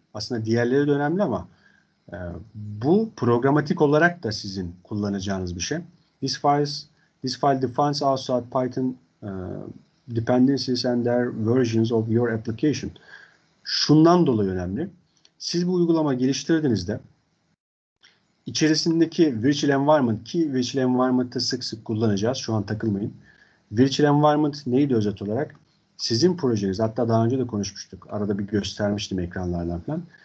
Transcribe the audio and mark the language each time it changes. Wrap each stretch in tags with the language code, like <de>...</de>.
<tr>Aslında diğerleri de önemli ama bu programatik olarak da sizin kullanacağınız bir şey.</tr> <en>This file defines outside Python dependencies and their versions of your application.</en> <tr>Şundan dolayı önemli. Siz bu uygulama geliştirdiğinizde içerisindeki virtual environment ki virtual environment'ı sık sık kullanacağız. Şu an takılmayın. Virtual environment neydi özet olarak? Sizin projeniz, hatta daha önce de konuşmuştuk. Arada bir göstermiştim ekranlardan falan.</tr>